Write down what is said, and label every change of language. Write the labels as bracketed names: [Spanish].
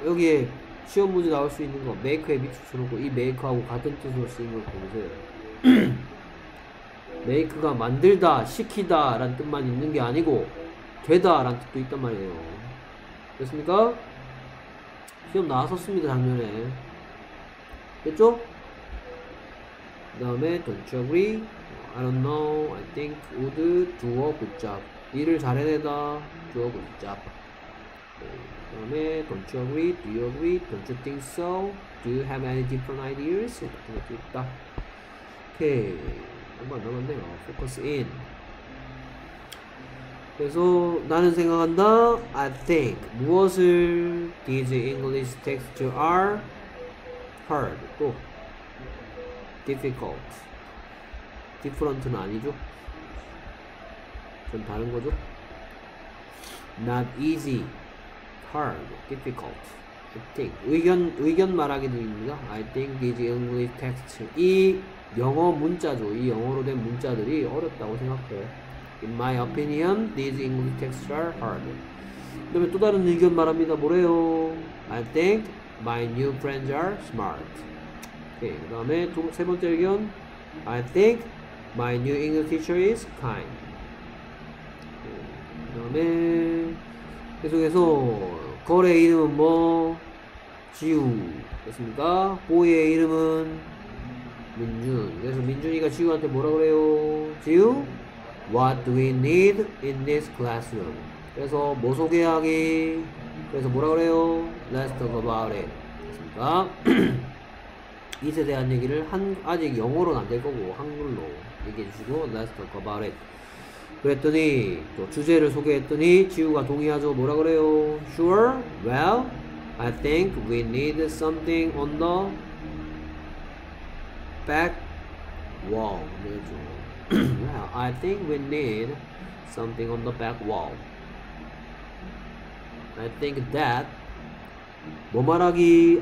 [Korean] 여기에 시험 문제 나올 수 있는 거 make에 밑줄 쳐놓고 이 make하고 같은 뜻으로 쓰인 걸 보세요. make가 만들다, 시키다 라는 뜻만 있는 게 아니고 되다 라는 뜻도 있단 말이에요. 됐습니까? 시험 나왔었습니다, 작년에. 됐죠? [English] 그 다음에 don't you agree? I don't know. I think would do a good job. [Korean] 일을 잘 해내다. [English] do a good job. 그 다음에 don't you agree? Do you agree? Don't you think so? Do you have any different ideas? [Korean] 같은 것도 있다. [English] 오케이. [Korean] 얼마 안 남았네요. [English] Focus in. [Korean] 그래서 나는 생각한다. [English] I think. 무엇을 these English texts are hard. [Korean] 또 difficult. Different는 아니죠. 좀 다른 거죠. [English] Not easy. Hard, difficult. I think [Korean] 의견 말하기도 있습니다. [English] I think these English texts [Korean] 이 영어 문자죠. 이 영어로 된 문자들이 어렵다고 생각해요. [English] In my opinion, these English texts are hard. [Korean] 그다음에 또 다른 의견 말합니다. 뭐래요? [English] I think my new friends are smart. 오케이. [Korean] 그다음에 세 번째 의견. [English] I think my new English teacher is kind. [Korean] 그다음에 계속해서 걸의 이름은 뭐? 지우. 됐습니까? 보이의 이름은? 민준. 그래서 민준이가 지우한테 뭐라 그래요? [English] 지우? What do we need in this classroom? [Korean] 그래서 뭐 소개하기? 그래서 뭐라 그래요? [English] Let's talk about it. [Korean] 됐습니까? 이에 대한 얘기를 아직 영어로는 안 될 거고 한글로 얘기해 주시고 [English] Let's talk about it. [Korean] 그랬더니 또 주제를 소개했더니 지우가 동의하죠. 뭐라 그래요? Sure. [English] Well, I think we need something on the back wall. Well, I think we need something on the back wall. I think that [Korean] 뭐 말하기?